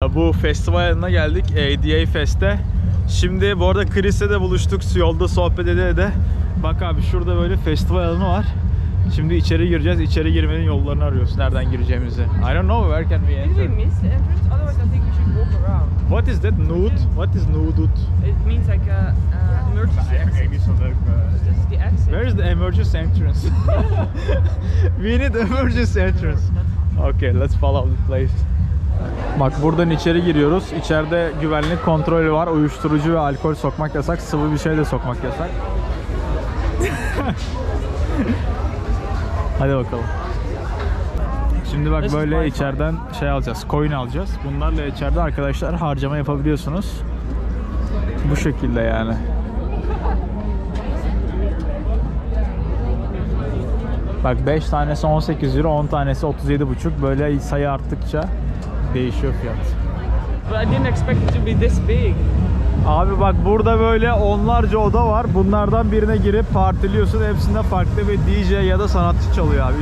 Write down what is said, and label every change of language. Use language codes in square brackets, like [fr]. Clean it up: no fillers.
[tr] Bu festival yanına geldik, ADA Fest'te. Şimdi bu arada Chris'le de buluştuk, yolda sohbet edeyim de. Bak abi şurada böyle festival alanı var. Şimdi içeri gireceğiz, içeri girmenin yollarını arıyoruz. Nereden gireceğimizi. [en] I don't know, where can we enter? Did we miss the entrance? Otherwise I think we should walk around. What is that nude? What is nude? It means like a emergency exit. This is the exit. Where is the emergency entrance? We need emergency entrance. Okay, let's follow the place. [tr] Bak buradan içeri giriyoruz. İçeride güvenlik kontrolü var. Uyuşturucu ve alkol sokmak yasak. Sıvı bir şey de sokmak yasak. Hadi bakalım. Şimdi bak böyle içeriden şey alacağız. Coin alacağız. Bunlarla içeride arkadaşlar harcama yapabiliyorsunuz. Bu şekilde yani. Bak 5 tanesi 18 euro, 10 tanesi 37,5. Böyle sayı arttıkça değişiyor fiyat. [en] But I didn't expect it to be this big. [tr] Abi bak burada böyle onlarca oda var. Bunlardan birine girip partiliyorsun. Hepsinde farklı bir DJ ya da sanatçı çalıyor abi.